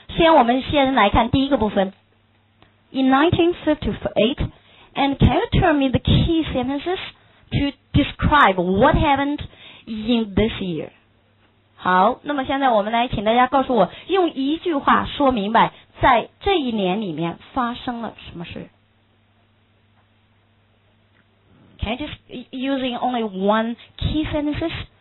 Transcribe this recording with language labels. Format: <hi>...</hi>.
<zh>先我们先来看第一个部分。</zh> <en>In 1958, and can you tell me the key sentences to describe what happened in this year?</en> <zh>好，那么现在我们来请大家告诉我，用一句话说明白在这一年里面发生了什么事。</zh> <en>Can you just using only one key sentences?</en>